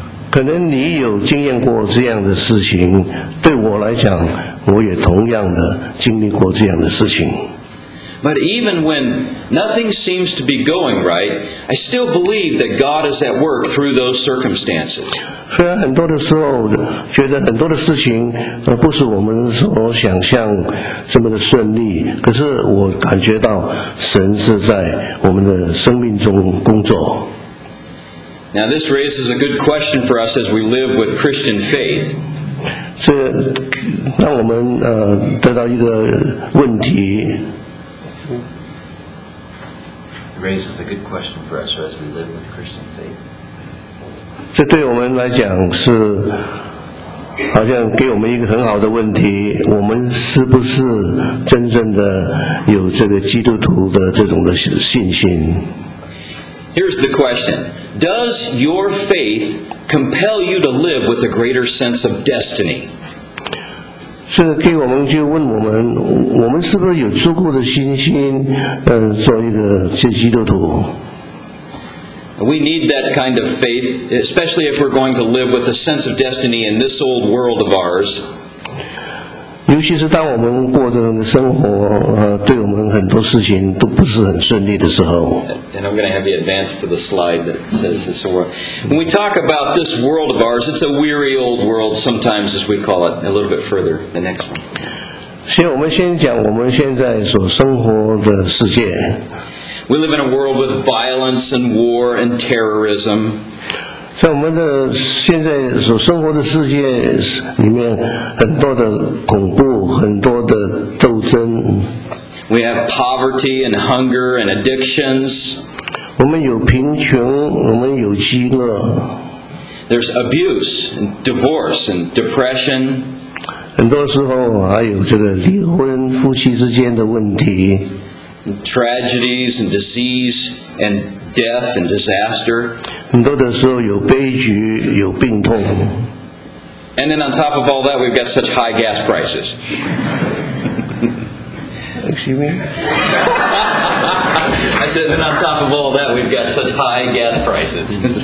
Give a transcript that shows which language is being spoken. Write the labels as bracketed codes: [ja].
[zh] 可能你有经验过这样的事情，对我来讲，我也同样的经历过这样的事情。 [en] But even when nothing seems to be going right, I still believe that God is at work through those circumstances. [zh] 虽然很多的时候觉得很多的事情不是我们所想象这么的顺利，可是我感觉到神是在我们的生命中工作。 [en] Now this raises a good question for us as we live with Christian faith. [zh] 这让我们得到一个问题。 [en] Raises a good question for us as we live with Christian faith. [zh] 这对我们来讲是好像给我们一个很好的问题，我们是不是真正的有这个基督徒的这种的信心？ [en] Here's the question. Does your faith compel you to live with a greater sense of destiny? [zh] 这个给我们就问我们，我们是不是有足够的信心，做一个这基督徒 [en] ？We need that kind of faith, especially if we're going to live with a sense of destiny in this old world of ours. [zh] 尤其是当我们过的生活，对我们很多事情都不是很顺利的时候。 [en] And I'm going to have you advance to the slide that says this world. When we talk about this world of ours, it's a weary old world sometimes, as we call it. A little bit further, the next one. [zh] 先我们先讲我们现在所生活的世界。 [en] We live in a world with violence and war and terrorism. [zh] 在我们的现在所生活的世界里面，很多的恐怖，很多的斗争。 [en] We have poverty and hunger and addictions. [zh] 我们有贫穷，我们有饥饿。 [en] There's abuse and divorce and depression. [zh] 很多时候还有这个离婚，夫妻之间的问题。 [en] Tragedies and disease and death and disaster. [zh] 很多的时候有悲剧，有病痛。 [en] And then on top of all that, we've got such high gas prices. Excuse me. I said, and on top of all that, we've got such high gas prices.